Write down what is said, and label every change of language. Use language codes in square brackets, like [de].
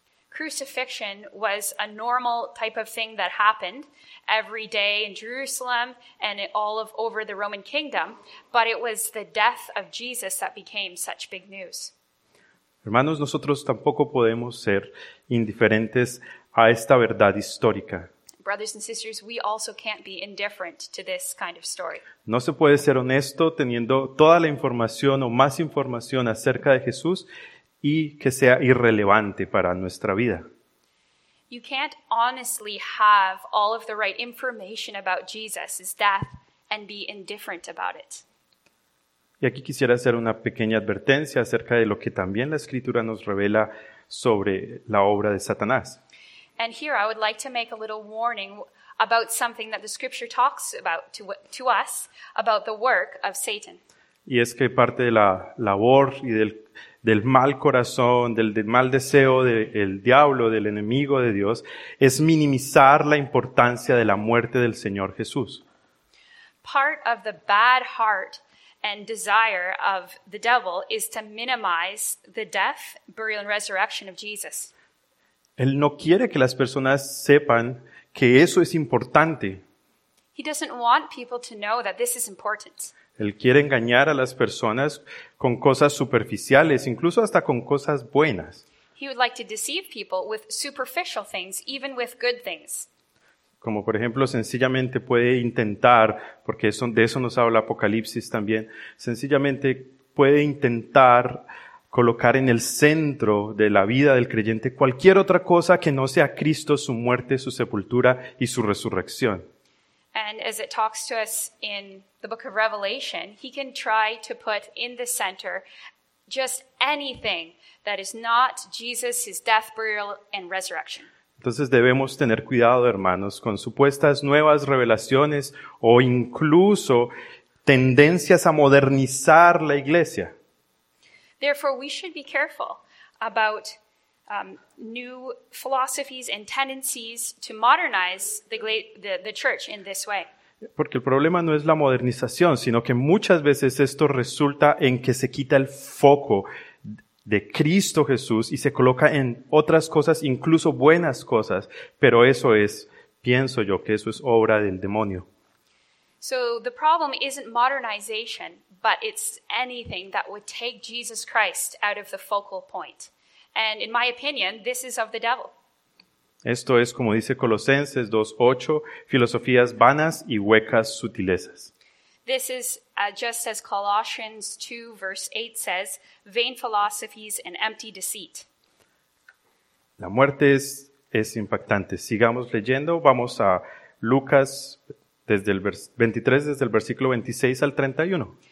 [en] Crucifixion was a normal type of thing that happened every day in Jerusalem and all of over the Roman kingdom, but it was the death of Jesus that became such big news. [es] Hermanos, nosotros tampoco podemos ser indiferentes a esta verdad histórica. [en] brothers and sisters, we also can't be indifferent to this kind of story. [es] No se puede ser honesto teniendo toda la información o más información acerca de Jesús y que sea irrelevante para nuestra vida. [en] You can't honestly have all of the right information about Jesus' death and be indifferent about it. [es] Y aquí quisiera hacer una pequeña advertencia acerca de lo que también la Escritura nos revela sobre la obra de Satanás. [en] And here I would like to make a little warning about something that the Scripture talks about to us, about the work of Satan. [es] Y es que parte de la labor y del mal corazón, del mal deseo del diablo, del enemigo de Dios, es minimizar la importancia de la muerte del Señor Jesús. [en] Part of the bad heart and desire of the devil is to minimize the death, burial, and resurrection of Jesus. [es] Él no quiere que las personas sepan que eso es importante. [en] He doesn't want people to know that this is important. [es] Él quiere engañar a las personas con cosas superficiales, incluso hasta con cosas buenas. [en] He would like to deceive people with superficial things, even with good things. [es] Como por ejemplo, sencillamente puede intentar, porque eso, de eso nos habla Apocalipsis también, sencillamente puede intentar colocar en el centro de la vida del creyente cualquier otra cosa que no sea Cristo, su muerte, su sepultura y su resurrección. [en] And as it talks to us in the book of Revelation, he can try to put in the center just anything that is not Jesus, his death, burial, and resurrection. [es] Entonces debemos tener cuidado, hermanos, con supuestas nuevas revelaciones o incluso tendencias a modernizar la iglesia. [en] Therefore, we should be careful about new philosophies and tendencies to modernize the church in this way. [es] Porque el problema no es la modernización, sino que muchas veces esto resulta en que se quita el foco de Cristo Jesús y se coloca en otras cosas, incluso buenas cosas, pero eso es, pienso yo, que eso es obra del demonio. [en] So the problem isn't modernization, but it's anything that would take Jesus Christ out of the focal point. And in my opinion, this is of the devil. [es] Esto es como dice Colosenses 2:8, filosofías vanas y huecas sutilezas. [en] This is just as Colossians 2 verse 8 says, vain philosophies and empty deceit. [es] La muerte es impactante. Sigamos leyendo. Vamos a Lucas desde el 23, desde el versículo 26 al 31.